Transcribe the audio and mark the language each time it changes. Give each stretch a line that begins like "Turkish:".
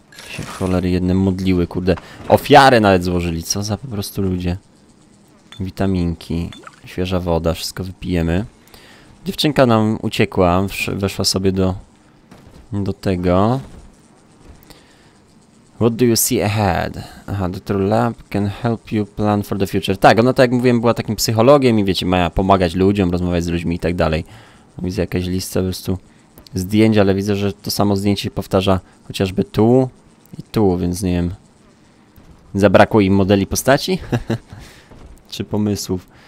Polish: Się cholery jedne modliły, kurde. Ofiarę nawet złożyli, co za po prostu ludzie. Witaminki, świeża woda, wszystko wypijemy. Dziewczynka nam uciekła, weszła sobie do tego.
English: What do you see ahead? Aha, Dr. Lab can help you plan for the future.
Polish: Tak, ona, tak jak mówiłem, była takim psychologiem i wiecie, ma pomagać ludziom, rozmawiać z ludźmi i tak dalej. Widzę jakieś listy, po prostu zdjęcia, ale widzę, że to samo zdjęcie powtarza chociażby tu i tu, więc nie wiem. Zabrakło im modeli postaci? Czy pomysłów?